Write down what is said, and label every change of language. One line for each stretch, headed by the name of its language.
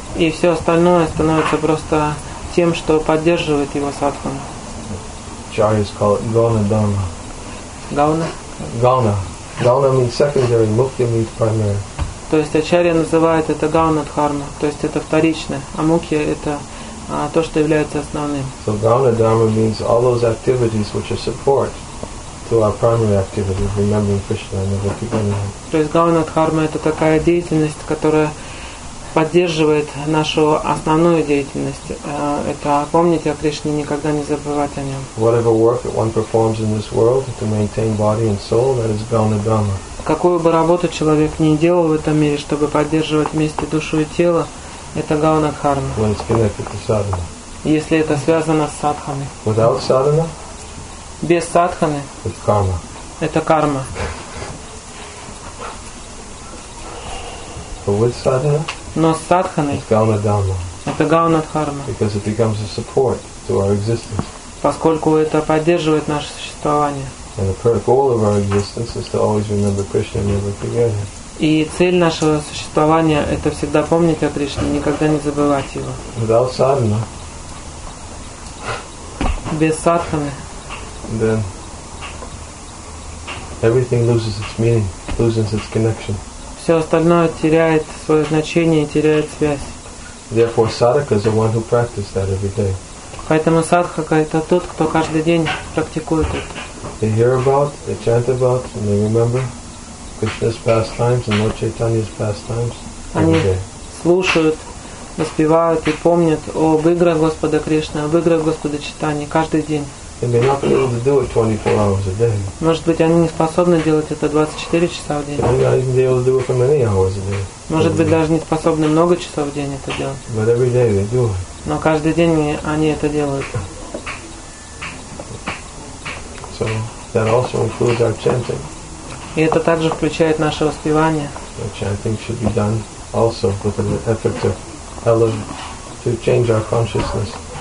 Russian: И все остальное становится просто тем, что поддерживает его садхану.
English: Charis call it gauna dharma. Gauna? Gauna. Gauna means secondary, mukti means primary.
Russian: То есть ачарья называет это гауна дхарма, то есть это вторичное, а мукья это то, что является основным.
English: So gauna dharma means all those activities which are support to our primary activity of remembering Krishna and never forgetting him.
Russian: То есть гауна дхарма это такая деятельность, которая поддерживает нашу основную деятельность. Это помнить о Кришне, никогда не забывать о нем.
English: Whatever work that one performs in this world to maintain body and soul, that is gauna dharma.
Russian: Какую бы работу человек ни делал в этом мире, чтобы поддерживать вместе душу и тело, это гауна дхарма.
English: When it's connected to sadhana.
Russian: Если это связано с садханой.
English: Without sadhana.
Russian: Без садханы.
English: It's karma.
Russian: Это карма.
English: But with sadhana.
Russian: Но с садханой.
English: It's gauna dharma.
Russian: Это гауна дхарма.
English: Because it becomes a support to our existence.
Russian: Поскольку это поддерживает наше существование.
English: And the goal of our existence is to always remember Krishna and never forget him.
Russian: И цель нашего существования это всегда помнить о Кришне, никогда не забывать его.
English: Without sadhana.
Russian: без садханы.
English: Then everything loses its meaning, loses its connection.
Russian: Все остальное теряет свое значение, теряет связь.
English: Therefore, sadhaka is the one who practices that every day.
Russian: Поэтому садхака это тот, кто каждый день практикует это.
English: They hear about, they chant about, and they remember Krishna's pastimes and Lord Chaitanya's pastimes every day.
Russian: Слушают, воспевают и помнят об играх Господа Кришны, об играх Господа Чайтаньи каждый день.
English: They may not be able to do it 24 hours a day.
Russian: Может быть, они не способны делать это 24 часа в день.
English: They may not be able to do it for many hours a day.
Russian: Может быть, даже не способны много часов в день это делать.
English: But every day they do it.
Russian: Но каждый день они это делают.
English: So that also includes our chanting.
Russian: И это также включает наше воспевание.
English: The chanting should be done also with an effort to elevate, to change our consciousness.